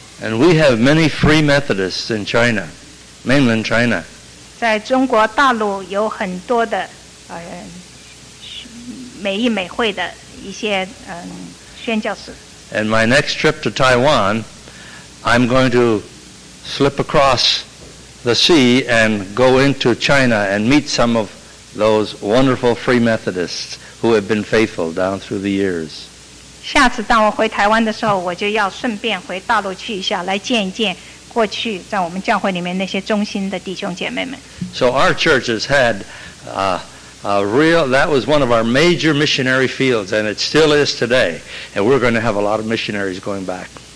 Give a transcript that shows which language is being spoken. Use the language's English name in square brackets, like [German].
[English] And we have many Free Methodists in China, mainland China. [Chinese] 在中国大陆有很多的美裔美会的一些宣教士。 [English] And my next trip to Taiwan, I'm going to slip across the sea and go into China and meet some of those wonderful Free Methodists who have been faithful down through the years. [Chinese] 下次当我回台湾的时候，我就要顺便回大陆去一下，来见一见过去在我们教会里面那些忠心的弟兄姐妹们。 [English] So our church has had that was one of our major missionary fields, and it still is today. And we're going to have a lot of missionaries going back.